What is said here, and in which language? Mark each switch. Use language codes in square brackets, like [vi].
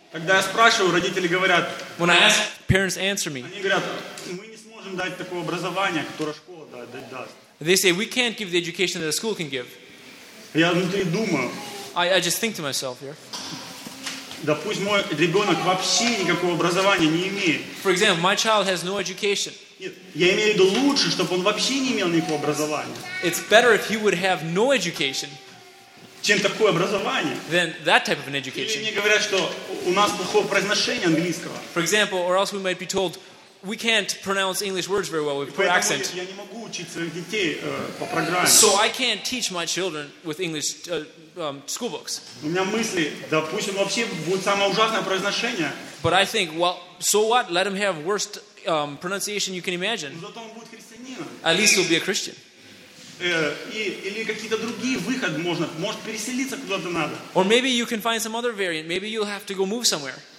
[ru] Когда я спрашиваю, родители говорят. [en] When I ask, parents answer me. [ru] Они говорят, мы не сможем дать такое образование, которое школа даст. [en] They say we can't give the education that a school can give. [ru] Я внутри думаю. [en] I just think to myself here. [ru] Да пусть мой ребенок вообще никакого образования не имеет. [en] For example, my child has no education. [ru] Я имею в виду лучше, чтобы он вообще не имел никакого образования. [en] It's better if he would have no education. [ru] Чем такое образование? [en] Than that type of an education. [ru] Или мне говорят, что у нас плохое произношение английского. [en] For example, or else we might be told we can't pronounce English words very well with poor accent. [ru] Я не могу учить своих детей по программе. [en] So I can't teach my children with English school books. [ru] У меня мысли, допустим, вообще будет самое ужасное произношение. [en] But I think, well, so what? Let him have worst pronunciation you can imagine. At least he'll be a Christian. Or maybe you can find some other variant. Maybe you'll have to go move somewhere.